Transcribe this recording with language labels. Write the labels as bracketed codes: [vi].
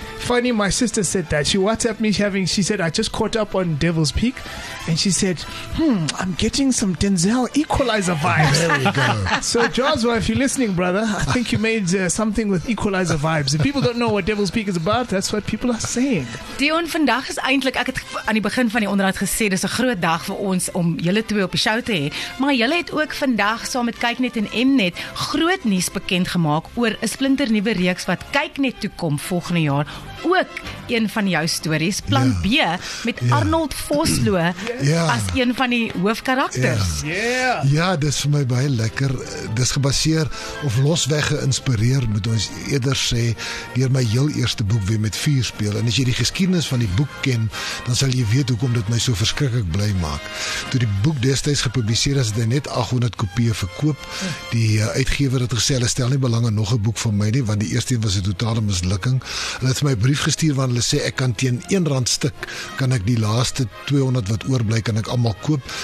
[en] Funny, my sister said that. She WhatsApped me she said, I just caught up on Devil's Peak, and she said, I'm getting some Denzel Equalizer vibes. There we go. So, Joshua, if you're listening, brother, I think you made something with Equalizer vibes. If people don't know what Devil's Peak is about, that's what people are saying. [af] Deon, vandag is eintlik, ek het aan die begin van die onderhoud gesê, dis 'n groot dag vir ons om julle twee op die show te hê. Maar julle het ook vandag saam met Kyknet en Mnet groot nuus bekend gemaak oor 'n splinter nuwe reeks wat Kyknet toe kom volgende jaar. Ook een van jou stories, Plan B, met Arnold Vosloo as een van die hoofkarakters. Dis vir my baie lekker. Dis gebaseer of losweg geïnspireer, moet ons eerder sê, deur my heel eerste boek weer met vier speel. En as jy die geskiedenis van die boek ken, dan sal jy weet hoekom dit my so verskrikkelijk bly maak. Toe die boek destijds gepubliseer is, het hy net 800 kopieën verkoop. Die uitgever het gesê, hulle stel nie belang in nog 'n boek van my nie, want die eerste een was 'n totale mislukking. Hulle het vir my brief gestuur waarin hulle sê ek kan teen R1 stuk kan ek die laaste 200 wat oorbly kan ek almal koop.